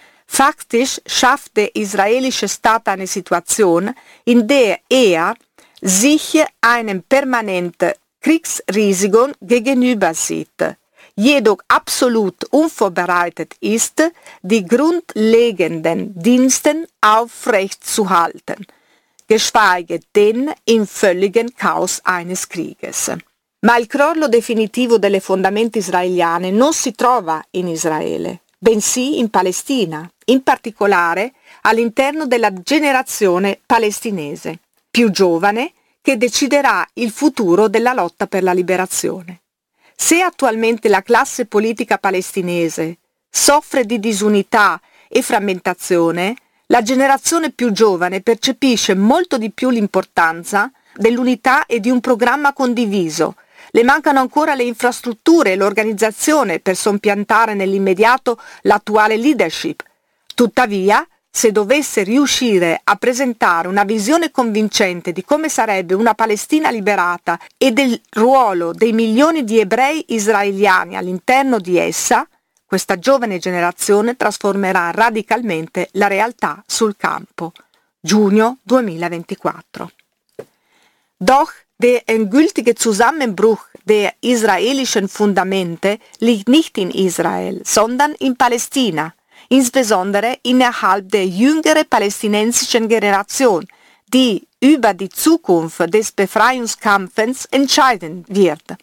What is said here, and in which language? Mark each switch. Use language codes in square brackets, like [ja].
[de] Faktisch schafft der israelische Staat eine Situation, in der er sich einem permanenten Kriegsrisiko gegenüber sieht, jedoch absolut unvorbereitet ist, die grundlegenden Dienste aufrechtzuhalten, geschweige denn im völligen Chaos eines Krieges. [it] Ma il crollo definitivo delle fondamenta israeliane non si trova in Israele, bensì in Palestina, in particolare all'interno della generazione palestinese, più giovane, che deciderà il futuro della lotta per la liberazione. Se attualmente la classe politica palestinese soffre di disunità e frammentazione, la generazione più giovane percepisce molto di più l'importanza dell'unità e di un programma condiviso. Le mancano ancora le infrastrutture e l'organizzazione per soppiantare nell'immediato l'attuale leadership. Tuttavia, se dovesse riuscire a presentare una visione convincente di come sarebbe una Palestina liberata e del ruolo dei milioni di ebrei israeliani all'interno di essa, questa giovane generazione trasformerà radicalmente la realtà sul campo. Giugno 2024. [de] Doch der endgültige Zusammenbruch der israelischen Fundamente liegt nicht in Israel, sondern in Palästina, insbesondere innerhalb der jüngeren palästinensischen Generation, die über die Zukunft des Befreiungskampfes entscheiden wird.